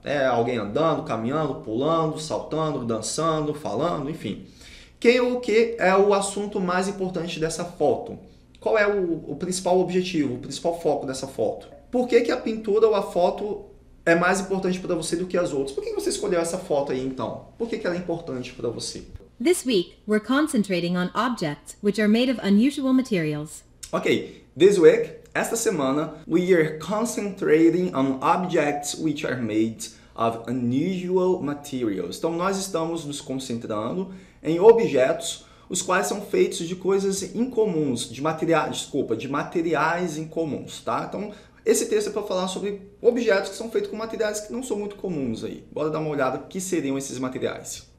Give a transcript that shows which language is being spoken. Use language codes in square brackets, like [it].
[pt] É alguém andando, caminhando, pulando, saltando, dançando, falando, enfim. Quem ou o que é o assunto mais importante dessa foto? Qual é o principal objetivo, o principal foco dessa foto? Por que a pintura ou a foto é mais importante para você do que as outras? Por que você escolheu essa foto aí, então? Por que ela é importante para você? [en] This week, we're concentrating on objects which are made of unusual materials. Okay, this week, [pt] esta semana, [en] we are concentrating on objects which are made of unusual materials. [pt] Então, nós estamos nos concentrando em objetos os quais são feitos de coisas incomuns, de materiais incomuns, tá? Então, esse texto é para falar sobre objetos que são feitos com materiais que não são muito comuns aí. Bora dar uma olhada que seriam esses materiais.